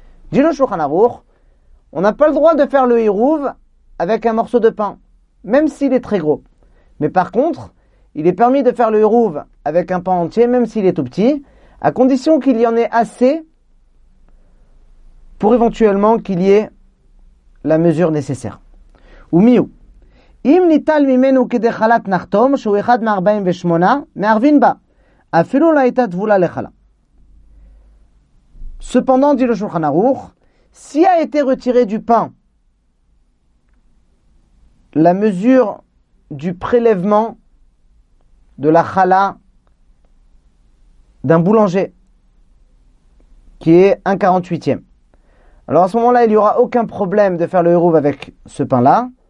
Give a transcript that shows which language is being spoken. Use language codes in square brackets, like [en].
[fr] Dit le Shulchan Aruch, on n'a pas le droit de faire le hirouv avec un morceau de pain, même s'il est très gros. Mais par contre, il est permis de faire le hirouv avec un pain entier, même s'il est tout petit, à condition qu'il y en ait assez pour éventuellement qu'il y ait la mesure nécessaire. [he] Ou miou. אם ניטל ממנו כדי חלת נחתום, שהוא אחד מארבעים ושמונה, מערבין בה. אפילו לא הייתה תבולה לחלה. [fr] Cependant, dit le Shulchan Aruch, si a été retiré du pain la mesure du prélèvement de la chala d'un boulanger qui est 1/48, alors à ce moment-là, il n'y aura aucun problème de faire le hirouv avec ce pain-là.